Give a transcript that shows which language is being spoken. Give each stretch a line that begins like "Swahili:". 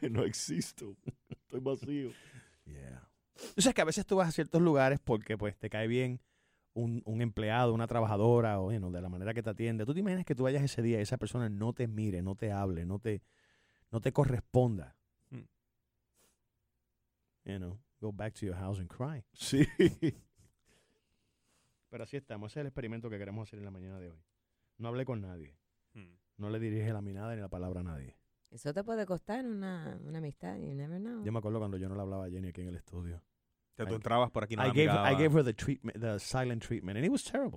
Spanish: No existo. Estoy vacío.
English: Yeah.
Spanish: O sea, es que a veces tú vas a ciertos lugares porque pues te cae bien un empleado, una trabajadora, o bueno, de la manera que te atiende. ¿Tú te imaginas que tú vayas ese día y esa persona no te mire, no te hable, no te corresponda?
English: You know, go back to your house and cry.
Spanish: Sí. Pero así estamos. Ese es el experimento que queremos hacer en la mañana de hoy. No hablé con nadie. No le dirige la mirada ni la palabra a nadie. Eso te puede costar una amistad.
English: You never know.
Spanish: Yo me acuerdo cuando yo no le hablaba a Jenny aquí en el estudio. Que tú entrabas por aquí nada.
English: I gave her the silent treatment, and it was terrible.